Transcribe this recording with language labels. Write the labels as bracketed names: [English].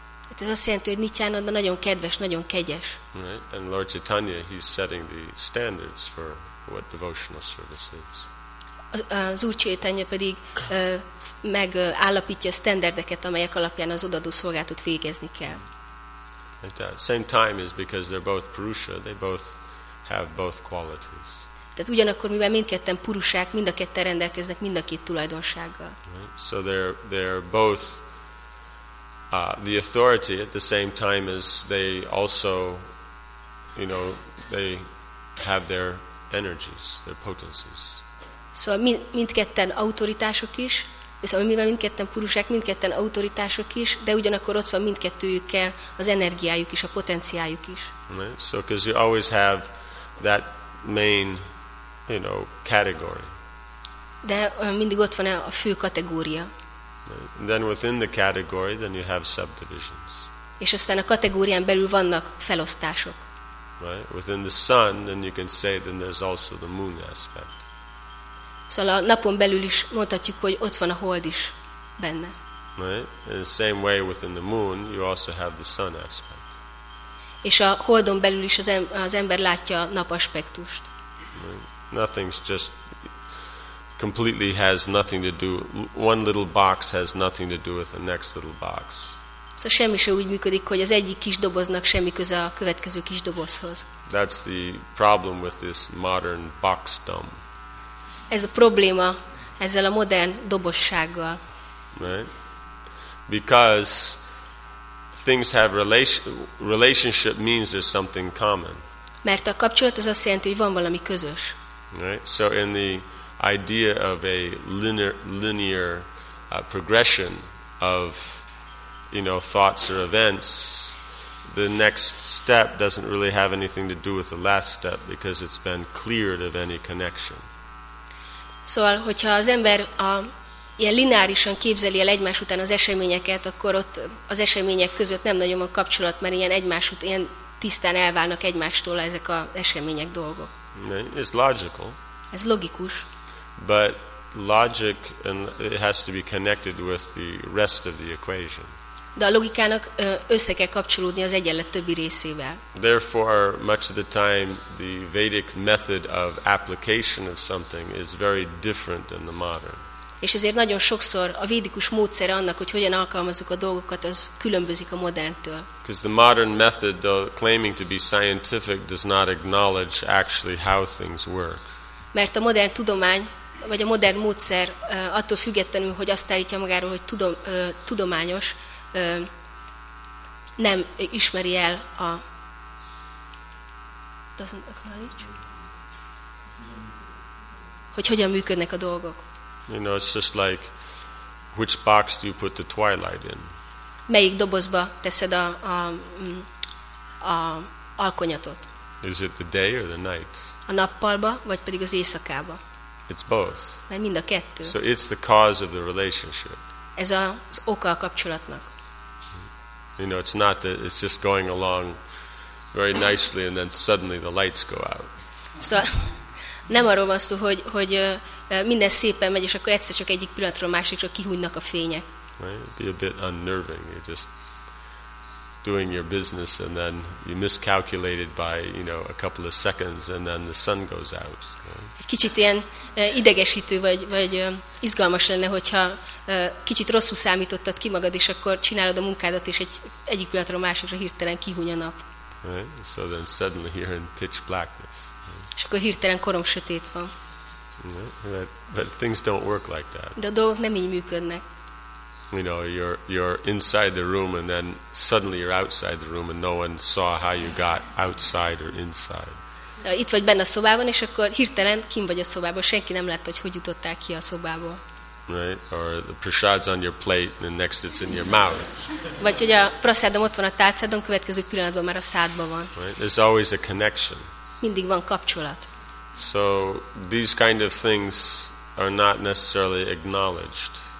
[Hungarian] Hát ez azt jelenti, hogy Nityananda nagyon kedves, nagyon kegyes. [English] Right. And Lord Chaitanya, he's setting the standards for what devotional service is. [Hungarian] Az Úr Chaitanya pedig megállapítja a standardeket, amelyek alapján az odaadó szolgálatot végezni kell. [English] Same time is because they're both purusha, they both have both qualities. [Hungarian] Tehát ugyanakkor, mivel mindketten purusák, mind a ketten rendelkeznek mind a két tulajdonsággal. [English] Right. So they're both the authority at the same time as they also, you know, they have their energies, their potencies. [Hungarian] Szóval mindketten autoritások is, viszont mivel mindketten purusák, mindketten autoritások is, de ugyanakkor ott van mindkettőjükkel az energiájuk is, a potenciájuk is. [English] Right. So, because you always have that main, you know, category. [Hungarian] De mindig ott van a fő kategória. [English] Right. Then within the category, then you have subdivisions. [Hungarian] És aztán a kategórián belül vannak felosztások. [English] Right. Within the sun, then you can say then there's also the moon aspect. [Hungarian] Szóval a napon belül is mondhatjuk, hogy ott van a hold is benne. [English] Right? In the same way within the moon, you also have the sun aspect. [Hungarian] És a holdon belül is az ember látja napaspektust. [English] Right? Nothing's just completely has nothing to do. One little box has nothing to do with the next little box. [Hungarian] Szóval semmi sem úgy működik, hogy az egyik kis doboznak semmi köze a következő kis dobozhoz. [English] That's the problem with this modern boxdom. [Hungarian] Ez a probléma ezzel a modern dobossággal. [English] Right? Because things have relationship means there's something common. [Hungarian] Mert a kapcsolat az azt jelenti, hogy van valami közös. [English] Right? So in the idea of a linear progression of, you know, thoughts or events, the next step doesn't really have anything to do with the last step because it's been cleared of any connection. [Hungarian] Szóval, hogyha az ember ilyen lineárisan képzeli el egymás után az eseményeket, akkor ott az események között nem nagyon van kapcsolat, mert ilyen egymás után ilyen tisztán elválnak egymástól ezek az események dolgok. [English] It's logical. [Hungarian] Ez logikus. [English] But logic and it has to be connected with the rest of the equation. [Hungarian] De a logikának össze kell kapcsolódni az egyenlet többi részével. [English] Therefore, much of the time, the Vedic method of application of something is very different than the modern. [Hungarian] És ezért nagyon sokszor a védikus módszere annak, hogy hogyan alkalmazzuk a dolgokat, az különbözik a moderntől. [English] Because the modern method, though claiming to be scientific, does not acknowledge actually how things work. [Hungarian] Mert a modern tudomány, vagy a modern módszer attól függetlenül, hogy azt állítja magáról, hogy tudományos, nem ismeri el a... [English] Doesn't acknowledge? [Hungarian] Hogy hogyan működnek a dolgok. [English] You know, it's just like, which box do you put the twilight in? [Hungarian] Melyik dobozba teszed a alkonyatot? [English] Is it the day or the night? [Hungarian] A nappalba, vagy pedig az éjszakába? [English] It's both. [Hungarian] Mert mind a kettő. [English] So it's the cause of the relationship. [Hungarian] Ez az oka a kapcsolatnak. [English] You know, it's not that it's just going along very nicely and then suddenly the lights go out. [Hungarian] So, nem arról van szó, hogy minden szépen megy, és akkor egyszer csak egyik pillanatról másikra kihúnynak a fények. [English] Right? It'd be a bit unnerving. You're just doing your business and then you miscalculated by, you know, a couple of seconds and then the sun goes out. Right? [Hungarian] Egy kicsit ilyen idegesítő vagy izgalmas lenne, hogyha kicsit rosszul számítottad ki magad, és akkor csinálod a munkádat, és egyik pillanatról másikra hirtelen kihúny a nap. [English] Right? So then suddenly you're in pitch blackness. [Hungarian] És akkor hirtelen korom sötét van. [English] But things don't work like that. [Hungarian] De a dolgok nem így működnek. [English] You know, you're inside the room and then suddenly you're outside the room and no one saw how you got outside or inside. [Hungarian] Itt vagy benne a szobában, és akkor hirtelen kim vagy a szobában, senki nem látta, hogy jutottál ki a szobából. [English] Right? Or the prasad's on your plate and next it's in your mouth. [Hungarian] Vagy hogy a prasadom ott van a tálcádon, következő pillanatban már a szádban van. [English] Right? There's always a connection. [Hungarian] Mindig van kapcsolat. [English] So these kind of things are not necessarily acknowledged.